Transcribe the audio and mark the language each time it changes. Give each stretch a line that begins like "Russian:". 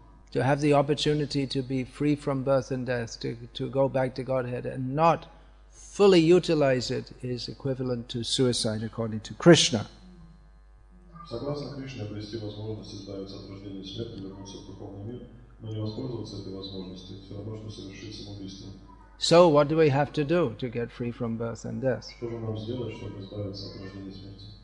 English: To have the opportunity to be free from birth and death, to go back to Godhead and not fully utilize it is equivalent to suicide, according to Krishna.
Russian: Согласно Кришне, обрести возможность избавиться от рождения смерти, вернуться в духовный мир, но не воспользоваться этой возможностью, все равно, что совершить самоубийство.
English: So, what do we have to do to get free from birth and death?
Russian: Что же нам сделать, чтобы избавиться от рождения смерти?